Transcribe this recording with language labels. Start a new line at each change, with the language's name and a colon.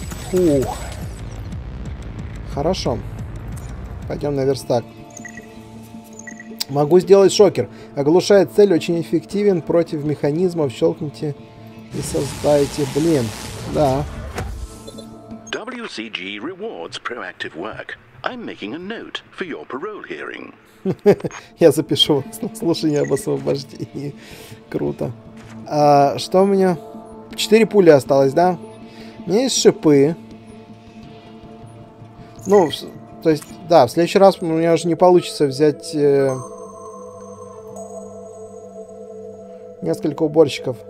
Russian: Фух. Хорошо. Пойдем на верстак. Могу сделать шокер. Оглушает цель, очень эффективен против механизмов. Щелкните и создайте. Блин. Да.
English: WCG rewards proactive work. I'm making a note for your parole hearing.
Russian: Я запишу вас на слушание об освобождении. Круто. А, что у меня? 4 пули осталось, да? У меня есть шипы. Ну, то есть, да, в следующий раз у меня уже не получится взять несколько уборщиков.